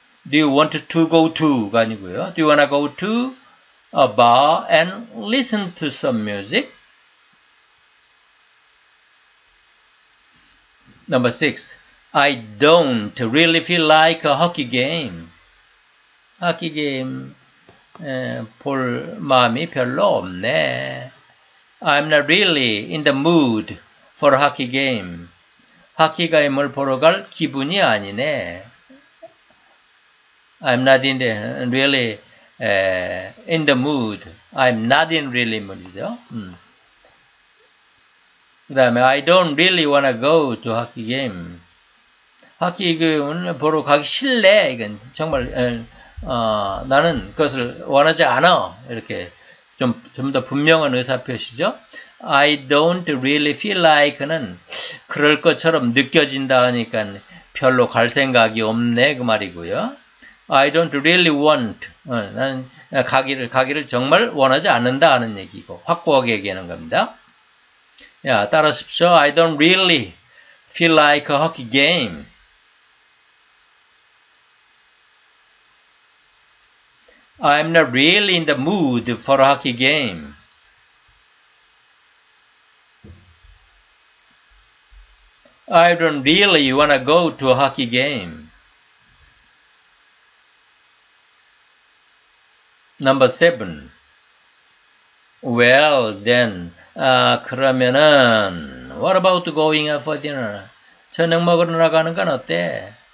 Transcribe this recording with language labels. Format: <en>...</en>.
<en>Do you want to go to?</en> <ko>가 아니고요.</ko> <en>Do you want to go to a bar and listen to some music? Number six. I don't really feel like a hockey game.</en> <ko>하키 게임 볼 마음이 별로 없네.</ko> <en>I'm not really in the mood for a hockey game.</en> <ko>하키 게임을 보러 갈 기분이 아니네.</ko> <en>I'm not in the really in the mood. I'm not in really mood이죠.</en> <ko>그다음에</ko> <en>I don't really wanna go to hockey game.</en> <ko>하키 게임을 보러 가기 싫네. 이건 정말 나는 그것을 원하지 않아. 이렇게 좀 더 분명한 의사표시죠.</ko> <en>I don't really feel like</en> <ko>는 그럴 것처럼 느껴진다 하니까 별로 갈 생각이 없네 그 말이고요.</ko> <en>I don't really want.</en> <ko>나는 가기를 정말 원하지 않는다 하는 얘기고 확고하게 얘기하는 겁니다. 야, 따라하십시오.</ko> <en>I don't really feel like a hockey game. I'm not really in the mood for a hockey game. I don't really want to go to a hockey game. Number seven. Well, then,</en> <ko>그러면은,</ko> <en>what about going out for dinner?</en> <ko>저녁 먹으러 나가는 건 어때?</ko>